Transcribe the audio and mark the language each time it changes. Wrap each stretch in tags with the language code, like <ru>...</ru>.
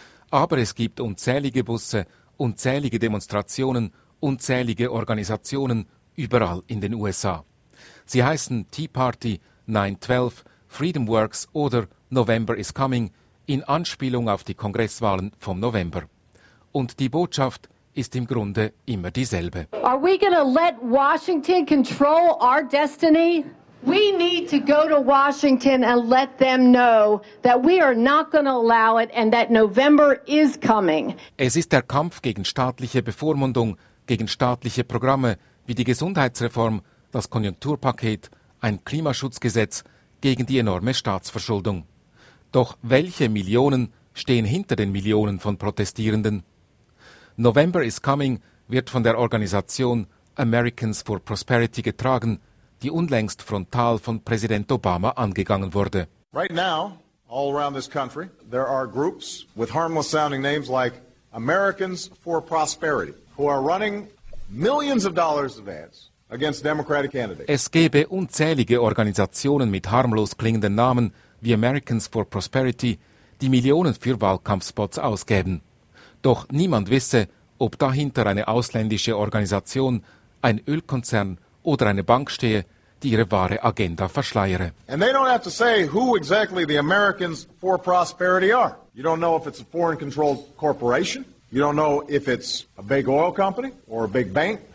<de>Aber es gibt unzählige Busse, unzählige Demonstrationen, unzählige Organisationen überall in den USA. Sie heißen Tea Party, 9-12, Freedom Works oder «November is coming» in Anspielung auf die Kongresswahlen vom November. Und die Botschaft ist im Grunde immer dieselbe.</de> <en>Are we going to let Washington control our destiny? We need to go to Washington and let them know that we are not going to allow it and that November is coming.</en> <de>Es ist der Kampf gegen staatliche Bevormundung, gegen staatliche Programme wie die Gesundheitsreform, das Konjunkturpaket, ein Klimaschutzgesetz, gegen die enorme Staatsverschuldung. Doch welche Millionen stehen hinter den Millionen von Protestierenden? November is coming wird von der Organisation Americans for Prosperity getragen, die unlängst frontal von Präsident Obama angegangen wurde.</de> <en>Right now, all around this country, there are groups with harmless sounding names like Americans for Prosperity, who are running millions of dollars of ads against Democratic candidates.</en> <de>Es gäbe unzählige Organisationen mit harmlos klingenden Namen wie Americans for Prosperity, die Millionen für Wahlkampfspots ausgeben. Doch niemand wisse, ob dahinter eine ausländische Organisation, ein Ölkonzern oder eine Bank stehe, die ihre wahre Agenda verschleiere.</de> <en>And they don't have to say who exactly the Americans for Prosperity are. You don't know if it's a foreign-controlled corporation. You don't know if it's a big oil company or a big bank.</en>